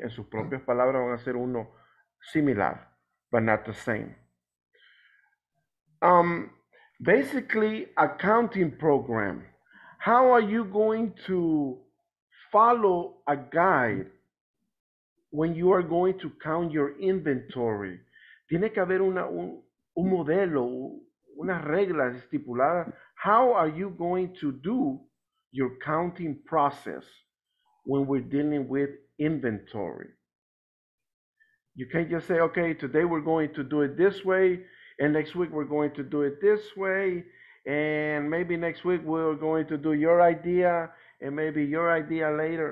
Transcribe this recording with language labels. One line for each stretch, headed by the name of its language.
Spanish: En sus propias palabras van a ser uno similar,
English: but not the same. Basically, a counting program. How are you going to follow a guide when you are going to count your inventory?
Spanish: Tiene que haber un modelo, una regla estipulada.
English: How are you going to do your counting process when we're dealing with inventory? You can't just say, okay, today we're going to do it this way, and next week we're going to do it this way, and maybe next week we're going to do your idea, and maybe your idea later.